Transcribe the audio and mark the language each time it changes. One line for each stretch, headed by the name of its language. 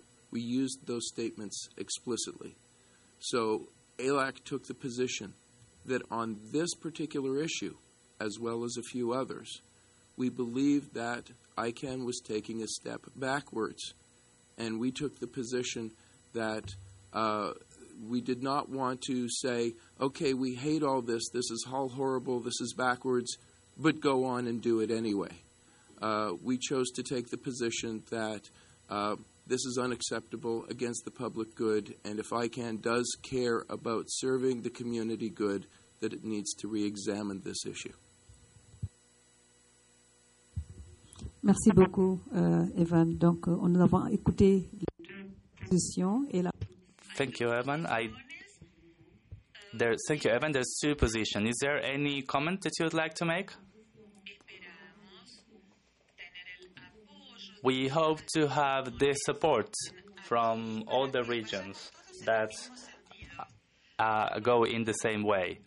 English: We used those statements explicitly. So ALAC took the position that on this particular issue, as well as a few others, we believed that ICANN was taking a step backwards, and we took the position that we did not want to say, okay, we hate all this, this is all horrible, this is backwards, but go on and do it anyway. We chose to take the position that this is unacceptable against the public good, and if ICANN does care about serving the community good, that it needs to re-examine this issue.
French: Merci beaucoup, Evan. Donc, nous avons écouté la position et la.
English: Thank you, Evan. Thank you, Evan. There's two positions. Is there any comment that you would like to make? We hope to have the support from all the regions that go in the same way.